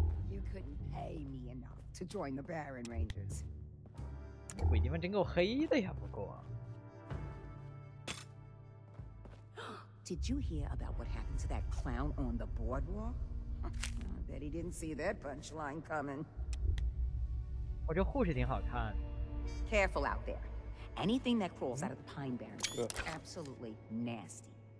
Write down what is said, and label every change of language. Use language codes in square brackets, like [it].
[en] You couldn't pay me enough to join the Baron Rangers. [zh] 鬼地方真够黑的呀，不过。 [en] Did you hear about what happened to that clown on the boardwalk? I bet he didn't see that punchline coming. [zh] 我这护士挺好看。 [en] Careful out there. Anything that crawls out of the pine barrens is absolutely nasty.